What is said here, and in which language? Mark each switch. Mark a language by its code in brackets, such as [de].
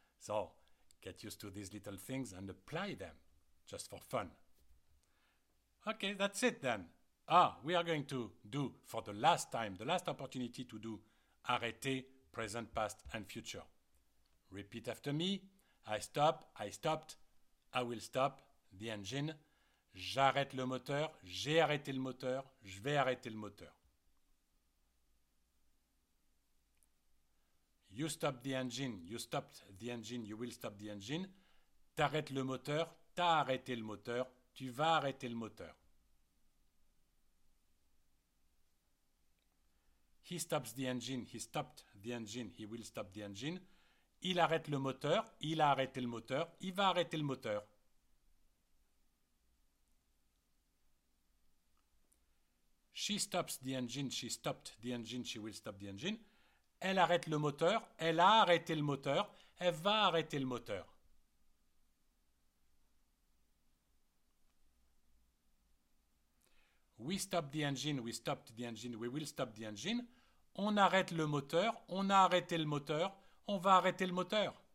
[en] So, get used to these little things and apply them, just for fun. Okay, that's it then. Ah, we are going to do, for the last time, the last opportunity to do arrêter, present, past, and future. Repeat after me. I stop, I stopped, I will stop the engine. [fr] J'arrête le moteur, j'ai arrêté le moteur, je vais arrêter le moteur. [en] You stop the engine, you stopped the engine, you will stop the engine. [fr] T'arrêtes le moteur, t'as arrêté le moteur, tu vas arrêter le moteur. [en] He stops the engine, he stopped the engine, he will stop the engine. [fr] Il arrête le moteur, il a arrêté le moteur, il va arrêter le moteur. [en] She stops the engine, she stopped the engine, she will stop the engine. [fr] Elle arrête le moteur, elle a arrêté le moteur, elle va arrêter le moteur. [en] We stop the engine, we stopped the engine, we will stop the engine. [fr] On arrête le moteur, on a arrêté le moteur, on va arrêter le moteur.